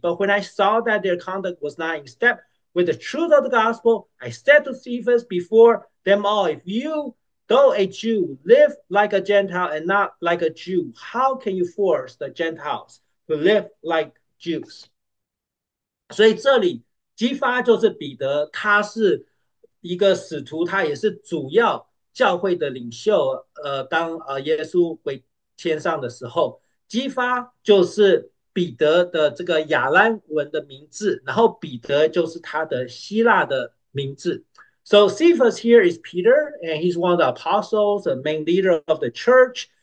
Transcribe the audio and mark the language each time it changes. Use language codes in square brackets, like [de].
[en] But when I saw that their conduct was not in step with the truth of the gospel, I said to Cephas before them all, if you, though a Jew, live like a Gentile and not like a Jew, how can you force the Gentiles to live like Jews? [zh] 所以这里激发就是彼得，他是一个使徒，他也是主要教会的领袖。当耶稣回天上的时候，激发就是彼得的这个亚兰文的名字，然后彼得就是他的希腊的名字。 [en] So Cephas here is Peter, and he's one of the apostles, the main leader of the church.